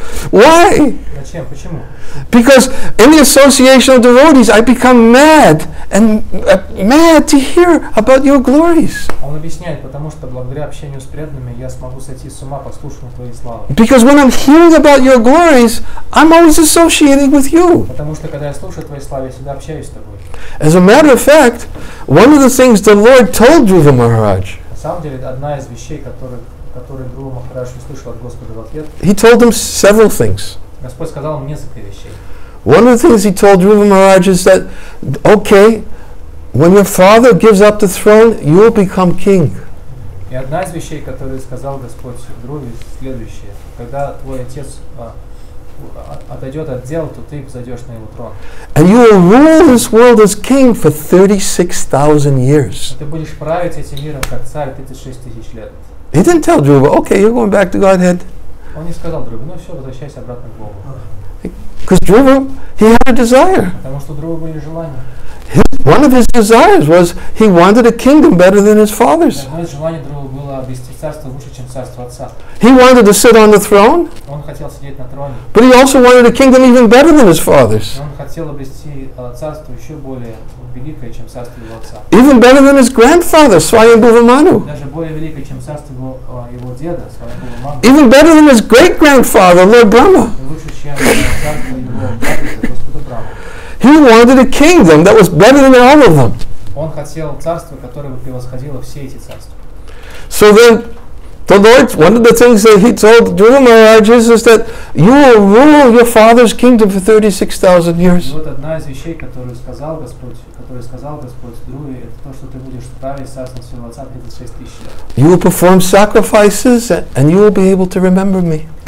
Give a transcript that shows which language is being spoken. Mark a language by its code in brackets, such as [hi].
[en] Why? Because in the association of devotees, I become mad And may I to hear about your glories. [ru] Он объясняет, потому что благодаря общению с преданными я смогу сойти с ума, послушав твои славы. [en] Because when I'm hearing about your glories, I'm always associating with you. [ru] Потому что когда я слушаю твои славы, я всегда общаюсь с тобой. [en] As a matter of fact, one of the things the Lord told Dhruva Maharaj. [ru] На самом деле, одна из вещей, которые Дхрува Махарадж услышал от Господа в ответ. [en] He told him several things. [ru] Господь сказал ему несколько вещей. [en] One of the things he told Dhruva Maharaj is that, okay, when your father gives up the throne, you will become king. [ru] И одна из вещей, которую сказал Господь Дхруве, следующая: когда твой отец отойдет от дел, то ты взойдешь на его трон. [en] And you will rule this world as king for 36,000 years. [ru] Ты будешь править этим миром как царь 36,000 лет. [en] He didn't tell Dhruva, okay, you're going back to Godhead. [ru] Он не сказал Дхруве, ну все, возвращайся обратно к Богу. [en] Because Dhruva, he had a desire. [ru] Потому что Дхрува были желания. [en] One of his desires was he wanted a kingdom better than his father's. [ru] Одно из желаний Дхрувы было обрести царство лучше, чем царство отца. [en] He wanted to sit on the throne. [ru] Он хотел сидеть на троне. [en] But he also wanted a kingdom even better than his father's. [ru] Он хотел обрести царство еще более великое, чем царство его отца. [en] Even better than his grandfather, Swayambhuvamanu. [ru] Даже более великое, чем царство его деда, Swayambhuvamanu. [en] Even better than his great grandfather, Lord Brahma. He wanted a kingdom that was better than all of them. [ru] Он хотел царство, которое бы превосходило все эти царства. [en] So then, the Lord, one of the things that he told Dhruva Maharaj is that you will rule your father's kingdom for 36,000 years. [ru] Вот одна из вещей, которую сказал Господь, Дхруве, это то, что ты будешь править царством своего отца 36,000 лет. [en] You will perform sacrifices and you will be able to remember me.